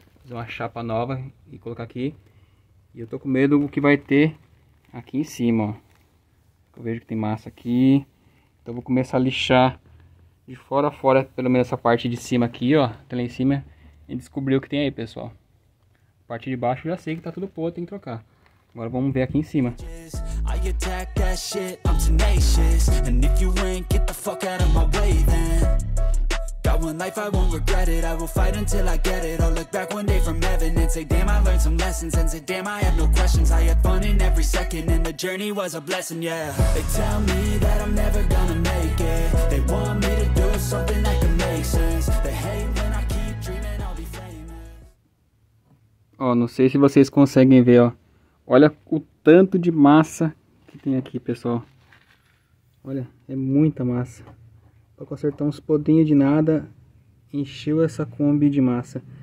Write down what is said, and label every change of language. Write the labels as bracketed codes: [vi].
[pt] Uma chapa nova e colocar aqui. E eu tô com medo do que vai ter aqui em cima, ó. Eu vejo que tem massa aqui. Então eu vou começar a lixar de fora a fora, pelo menos essa parte de cima aqui, ó. Até lá em cima. E descobrir o que tem aí, pessoal. A parte de baixo eu já sei que tá tudo podre, tem que trocar. Agora vamos ver aqui em cima. [en] I attack that shit, I'm tenacious. And if you ain't get the fuck out of my way then. Got one life, I won't regret it. I will fight until I get it. I'll look back one day from heaven and say, damn, I learned some lessons. And say, damn, I have no questions. I had fun in every second and the journey was a blessing, yeah. They tell me that I'm never gonna make it. They want me to do something that can make sense. They hate when I keep dreaming I'll be famous. [pt] Ó, não sei se vocês conseguem ver, ó. Olha o tanto de massa que tem aqui, pessoal. Olha, é muita massa. Pra consertar uns podinhos de nada, encheu essa Kombi de massa.